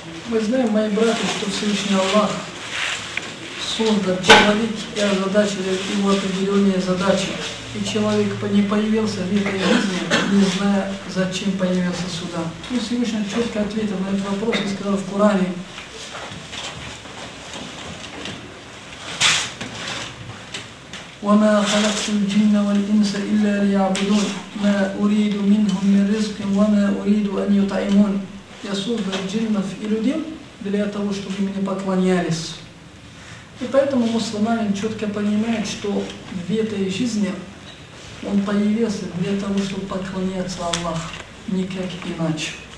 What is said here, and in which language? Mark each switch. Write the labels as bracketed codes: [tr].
[ru] Мы знаем, мои братья, что Всевышний Аллах создал человек и озадачил его определенные задачи. И человек не появился в этой жизни, не зная, зачем появился сюда. И Всевышний четко ответил на этот вопрос и сказал в Коране: [ar] وما خلقت الجن والإنس إلا ليعبدون ما أريد منهم من رزق وما أريد أن يطعمون. [ru] Я создал джиннов и людей для того, чтобы мне поклонялись. И поэтому мусульманин четко понимает, что в этой жизни он появился для того, чтобы поклоняться Аллаху, никак иначе.